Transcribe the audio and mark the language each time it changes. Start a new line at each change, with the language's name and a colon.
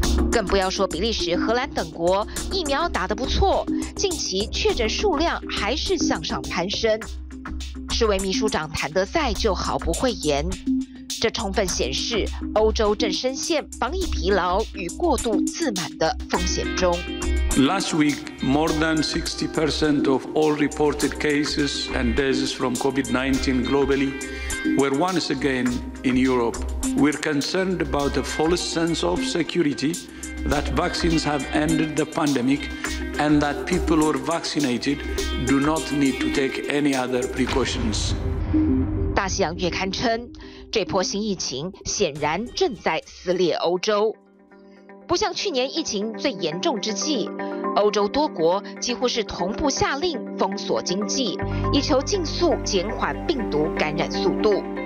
Chinese: 更不要说比利时、荷兰等国疫苗打得不错，近期确诊数量还是向上攀升。世卫秘书长谭德赛就毫不讳言，这充分显示欧洲正深陷防疫疲劳与过度自满的风险中。
English: Last week, more than 60% of all reported cases and deaths from COVID-19 globally were once again in Europe. We're concerned about the false sense of security that vaccines have ended the pandemic and that people who are vaccinated do not need to take any other precautions.
Chinese: 大西洋月刊称，这波新疫情显然正在撕裂欧洲。不像去年疫情最严重之际，欧洲多国几乎是同步下令封锁经济，以求尽速减缓病毒感染速度。